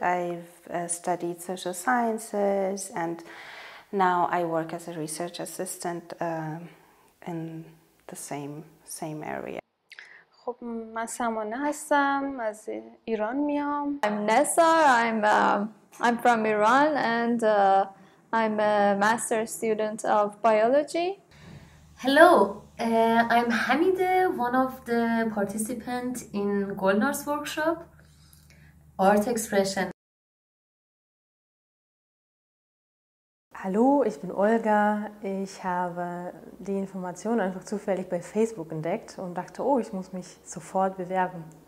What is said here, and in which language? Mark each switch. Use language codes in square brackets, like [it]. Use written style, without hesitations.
[en] I've studied social sciences and now I work as a research assistant in the same area. [fa] خب من سمانه هستم از ایران میام. [en] I'm Nessar. I'm from Iran and I'm a master student of biology. Hello. I'm Hamide, one of the participants in Golnar's workshop, Art Expression. [de] Hallo, ich bin Olga. Ich habe die Information einfach zufällig bei Facebook entdeckt und dachte, oh, ich muss mich sofort bewerben.